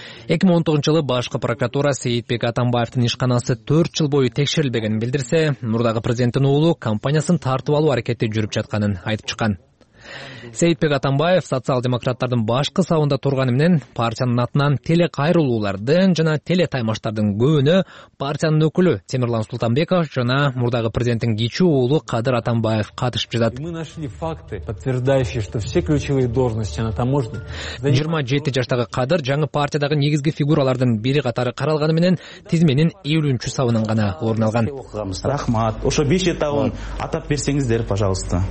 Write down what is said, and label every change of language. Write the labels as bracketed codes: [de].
[ky] 2019-жылы башкы прокуратура Сейитбек Атамбаевдин ишканасы 4 жыл бою текшерилбегенин билдирсе, мурдагы президенттин уулу компаниясын тартып алуу аракети жүрүп жатканын айтып чыккан. Сейитбек Атамбаев социал-демократтардын башкы сабында турганы менен партиянын атынан теле кайрылуулардын жана теле таймаштардын көбүнө партиянын өкүлү Темирлан Султанбеков жана мурдагы президенттин кичи уулу Кадыр Атамбаев катышып жатат. [ru] Мы нашли факты, подтверждающие, что все ключевые должности на таможне. [ky] 27 жаштагы Кадыр жаңы партиядагы негизги фигуралардын бири катары каралганы менен тизменин ээлүүчү сабынан гана орун алган. Рахмат. Ошо беш этабын атап берсеңиздер, пожалуйста.